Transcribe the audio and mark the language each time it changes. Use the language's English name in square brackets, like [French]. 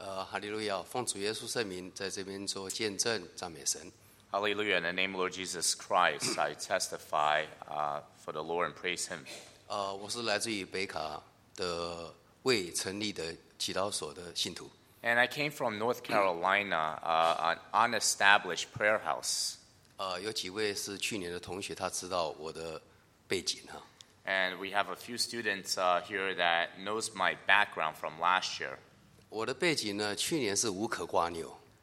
[Chinese] 哈利路亚，奉主耶稣圣名在这边做见证，赞美神。哈利路亚 [English] ，In the name of Lord Jesus Christ, I testify for the Lord and praise Him。 [Chinese] 我是来自于北卡的未成立的祈祷所的信徒。 [English] And I came from North Carolina, an unestablished prayer house. [Chinese] 有几位是去年的同学，他知道我的背景啊。 [English] And we have a few students here that knows my background from last year. [Chinese] 我的背景呢，去年是无可挂牛。